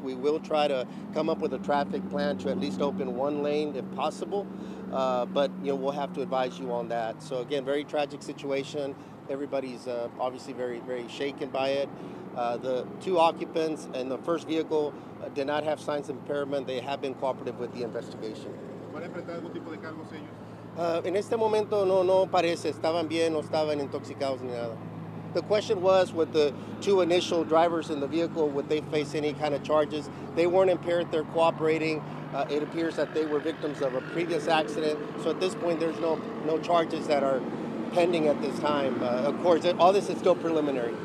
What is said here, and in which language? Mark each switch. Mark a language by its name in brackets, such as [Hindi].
[English] We will try to come up with a traffic plan to at least open one lane if possible. But you know, we'll have to advise you on that. So again, very tragic situation. Everybody's obviously very, very shaken by it. The two occupants and the first vehicle did not have signs of impairment. They have been cooperative with the investigation. [Spanish] En este momento no parece, estaban bien, no estaban intoxicados ni nada. [English] The question was, with the two initial drivers in the vehicle, would they face any kind of charges? They weren't impaired, they're cooperating. It appears that they were victims of a previous accident. So at this point, there's no charges that are pending at this time. Of course, all this is still preliminary.